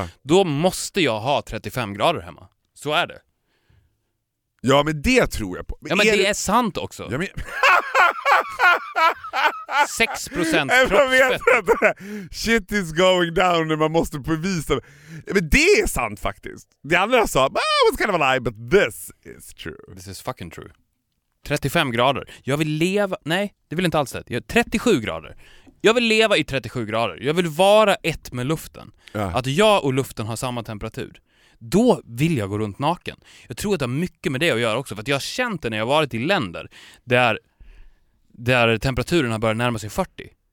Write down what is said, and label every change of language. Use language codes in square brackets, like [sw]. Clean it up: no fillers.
[sv] Då måste jag ha 35 grader hemma. Så är det. Ja, men det tror jag på. Men ja, men det är sant också. Ja, men... 6% kroppsfett. [en] Shit is going down [sv] när man måste bevisa. Men det är sant faktiskt. Det andra sa, [en] oh, it's kind of a lie, but this is true. This is fucking true. [sv] 35 grader. Jag vill leva... Nej, det vill inte alls det. 37 grader. Jag vill leva i 37 grader. Jag vill vara ett med luften. Att jag och luften har samma temperatur. Då vill jag gå runt naken. Jag tror att det har mycket med det att göra också. För att jag har känt det när jag har varit i länder där temperaturen har börjat närma sig 40.